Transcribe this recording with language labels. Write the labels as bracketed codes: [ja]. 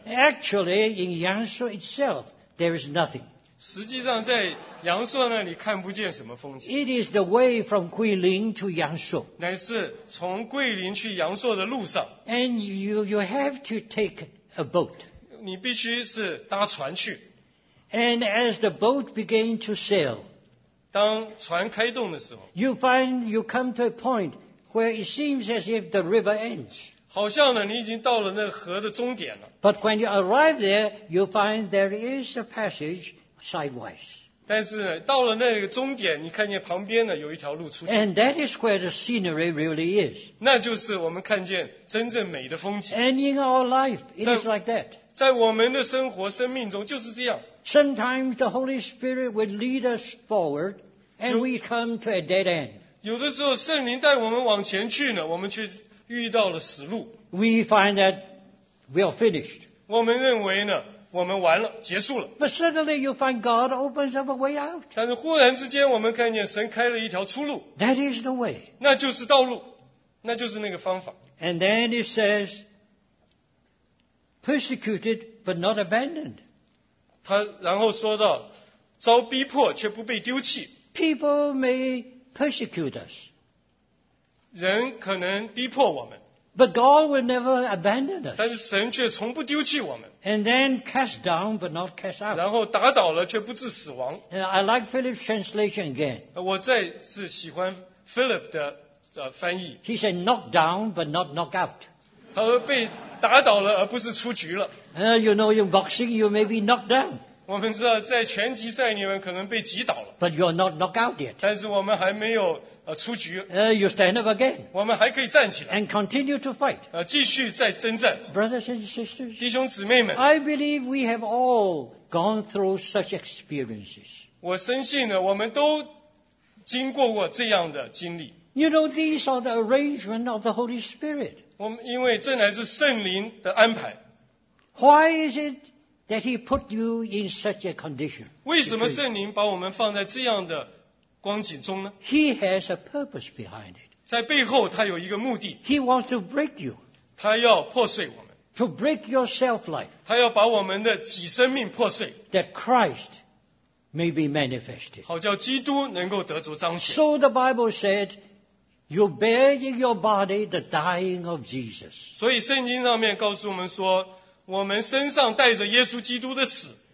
[en] Actually, in Yangshuo itself, there is nothing. [zh] 实际上，在阳朔那里看不见什么风景。 [en] It is the way from Guilin to Yangshuo. [zh] 乃是从桂林去阳朔的路上。 [en] And you have to take a boat. [zh] 你必须是搭船去。 [en] And as the boat began to sail. [zh] 当船开动的时候 [en] ，You find you come to a point where it seems as if the river ends. [zh] 好像呢，你已经到了那河的终点了。 [en] But when you arrive there, you find there is a passage sidewise. [zh] 但是到了那个终点，你看见旁边呢有一条路出去。 [en] And that is where the scenery really is. [zh] 那就是我们看见真正美的风景。 [en] And in our life, it is like that. [zh] 在我们的生活生命中就是这样。 [en] Sometimes the Holy Spirit would lead us forward, and we come to a dead end. [zh] 有的时候圣灵带我们往前去呢，我们却遇到了死路。 [en] We find that we are finished. [zh] 我们认为呢，我们完了，结束了。 [en] But suddenly you find God opens up a way out. [zh] 但是忽然之间，我们看见神开了一条出路。 [en] That is the way. [zh] 那就是道路，那就是那个方法。 [en] And then it says, persecuted but not abandoned. [zh] 他然后说到遭逼迫却不被丢弃。 [en] People may persecute us. [zh] 人可能逼迫我们。 [en] But God will never abandon us. [zh] 但是神却从不丢弃我们。 [en] And then cast down but not cast out. [zh] 然后打倒了却不致死亡。 [en] I like Philip's translation again. [zh] 我再次喜欢 Philip 的翻译。 [en] He said knock down but not knock out. [zh] 他说被打倒了而不是出局了。 [en] You know, in boxing, you may be knocked down. [zh] 我们知道，在拳击赛里面可能被击倒了。 [en] But you are not knocked out yet. [zh] 但是我们还没有出局。 [en] You stand up again. [zh] 我们还可以站起来。 [en] And continue to fight. [zh] 继续再征战。 [en] Brothers and sisters, [zh] 弟兄姊妹们 [en] ，I believe we have all gone through such experiences. [zh] 我深信呢，我们都经过过这样的经历。 [en] You know, these are the arrangement of the Holy Spirit. [zh] 我们因为这乃是圣灵的安排。 [en] Why is it that he put you in such a condition? [zh] 为什么圣灵把我们放在这样的光景中呢？ [en] He has a purpose behind it. [zh] 在背后他有一个目的。 [en] He wants to break you. [zh] 他要破碎我们。 [en] To break your self-life. [zh] 他要把我们的己生命破碎。 [en] That Christ may be manifested. [zh] 好叫基督能够得着彰显。 [en] So the Bible said,You bear in your body the dying of Jesus. [zh] 所以圣经上面告诉我们说我们身上带着耶稣基督的死。